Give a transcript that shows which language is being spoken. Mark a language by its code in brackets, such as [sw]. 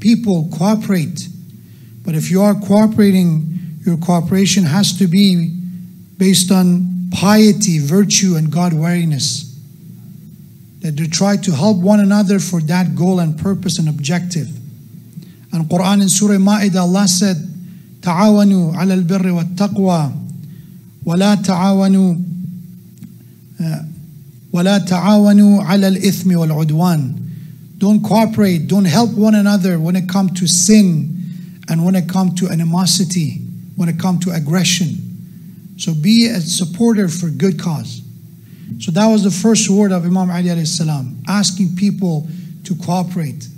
[en] People, cooperate. But if you are cooperating, your cooperation has to be based on piety, virtue, and God-wariness. That they try to help one another for that goal and purpose and objective. And Quran in Surah Ma'idah, Allah said, [ar] تعاونوا على البر والتقوى ولا تعاونوا على الإثم والعدوان. [en] Don't cooperate, don't help one another when it comes to sin and when it comes to animosity, when it comes to aggression. So be a supporter for good cause. So that was the first word of Imam Ali alayhi salam, asking people to cooperate.